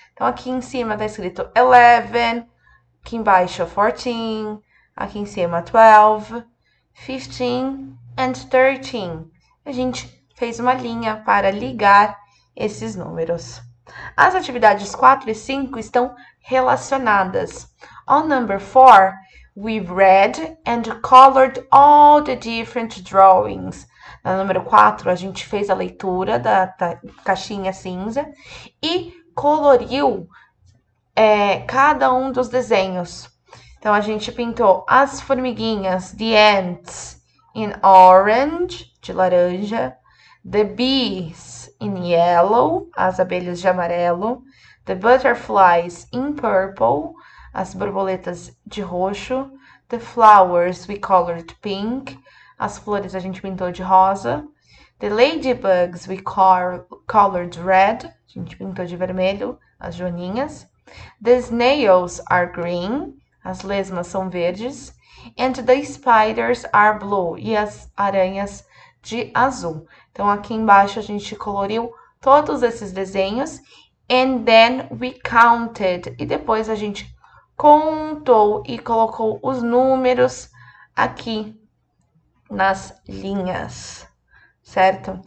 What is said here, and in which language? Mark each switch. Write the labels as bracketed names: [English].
[Portuguese] Então, aqui em cima está escrito 11, aqui embaixo 14, aqui em cima 12, 15 and 13. A gente fez uma linha para ligar esses números. As atividades 4 e 5 estão relacionadas. [English] On number 4, we read and colored all the different drawings. [Portuguese] Na número 4, a gente fez a leitura da caixinha cinza e coloriu cada um dos desenhos. Então, a gente pintou as formiguinhas, [English] the ants, in orange, [Portuguese] de laranja, [English] the bees, in yellow, [Portuguese] as abelhas de amarelo, [English] the butterflies, in purple, [Portuguese] as borboletas de roxo, [English] the flowers, we colored pink. [Portuguese] As flores a gente pintou de rosa. [English] The ladybugs we colored red. [Portuguese] A gente pintou de vermelho, as joaninhas. [English] The snails are green. [Portuguese] As lesmas são verdes. [English] And the spiders are blue. [Portuguese] E as aranhas de azul. Então aqui embaixo a gente coloriu todos esses desenhos. [English] And then we counted. [Portuguese] E depois a gente contou e colocou os números aqui nas linhas, certo?